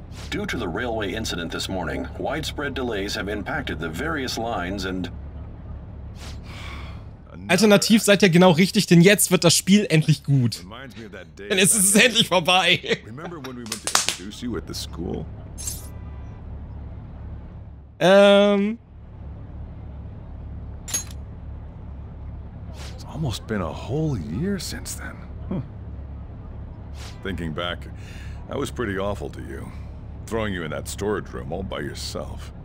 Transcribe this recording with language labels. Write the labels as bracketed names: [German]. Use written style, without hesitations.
[English] Due to the railway incident this morning, widespread delays have impacted the various lines and... [German] Alternativ seid ihr genau richtig, denn jetzt wird das Spiel endlich gut. Denn es ist endlich vorbei. [English] Remember when we went to introduce you at the school? It's almost been a whole year since then. Thinking back, I was pretty awful to you. Throwing you in that storage room all by yourself.